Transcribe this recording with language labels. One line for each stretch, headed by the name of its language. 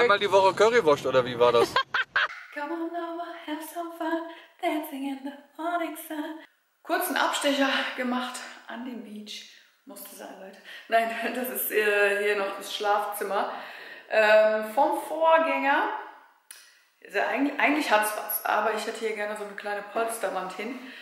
German: Einmal die Woche Currywurst, oder wie war das?
English: Come on over, have some fun. Dancing in the morning sun.
German: Kurzen Abstecher gemacht an dem Beach. Musste sein, Leute. Nein, das ist hier noch das Schlafzimmer vom Vorgänger. Also eigentlich hat es was, aber ich hätte hier gerne so eine kleine Polsterwand hin.